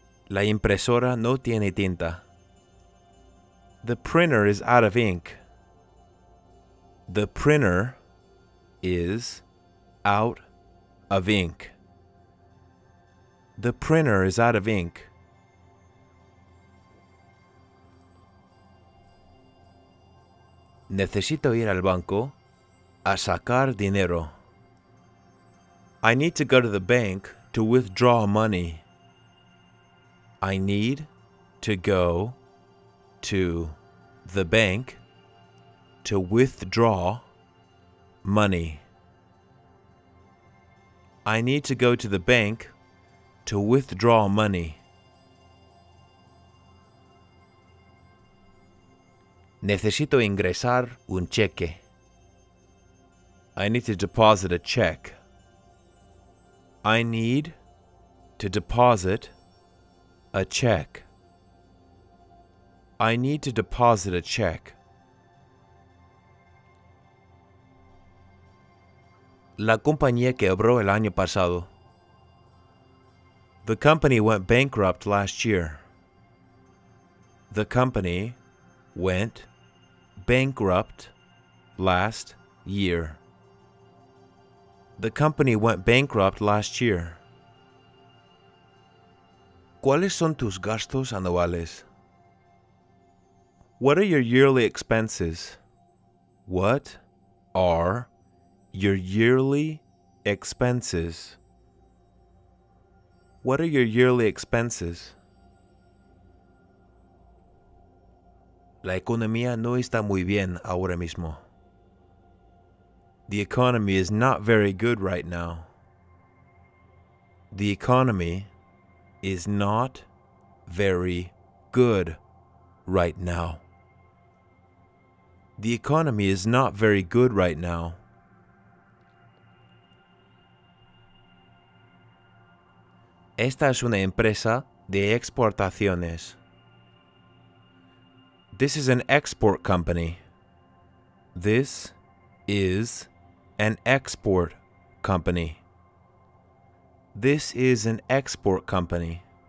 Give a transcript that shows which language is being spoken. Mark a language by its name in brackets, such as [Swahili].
[Spanish] La impresora no tiene tinta. [English] The printer is out of ink. The printer is out of ink. The printer is out of ink. [Spanish] Necesito ir al banco a sacar dinero. [English] I need to go to the bank to withdraw money. I need to go to the bank to withdraw money. I need to go to the bank to withdraw money. [Spanish] Necesito ingresar un cheque. [English] I need to deposit a check. I need to deposit a check. I need to deposit a check. [Spanish] La compañía quebró el año pasado. [English] The company went bankrupt last year. The company went bankrupt last year. The company went bankrupt last year. [Spanish] ¿Cuáles son tus gastos anuales? [English] What are your yearly expenses? What are your yearly expenses? What are your yearly expenses? [Spanish] La economía no está muy bien ahora mismo. [English] The economy is not very good right now. The economy is not very good right now. The economy is not very good right now. [Spanish] Esta es una empresa de exportaciones. [English] This is an export company. This is an export company. This is an export company.